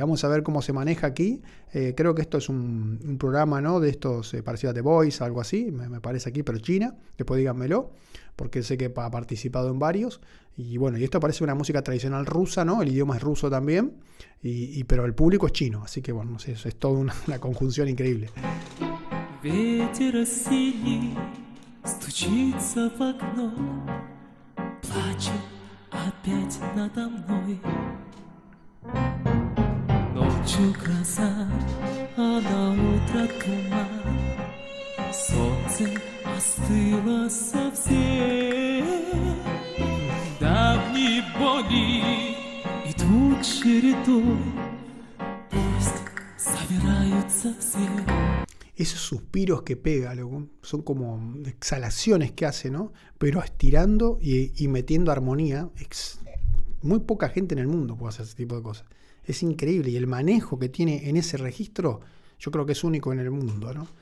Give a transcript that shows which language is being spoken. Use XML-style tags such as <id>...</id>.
<es>Vamos a ver cómo se maneja aquí. Creo que esto es un programa, ¿no?, de estos parecido a The Voice, algo así, me parece aquí, pero China. Después díganmelo, porque sé que ha participado en varios. Y bueno, y esto parece una música tradicional rusa, ¿no? El idioma es ruso también, pero el público es chino. Así que bueno, eso es toda una conjunción increíble.</es> <ru>Ветер осенний стучится в окно, плачет опять надо мной. Ночью гроза, а на утро тьма, солнце остыло совсем. Давние боги идут чередой, пусть собираются все.</ru> <es>Esos suspiros que pega, loco, son como exhalaciones que hace, ¿no? Pero estirando y metiendo armonía. Muy poca gente en el mundo puede hacer ese tipo de cosas. Es increíble. Y el manejo que tiene en ese registro, yo creo que es único en el mundo, ¿no?</es>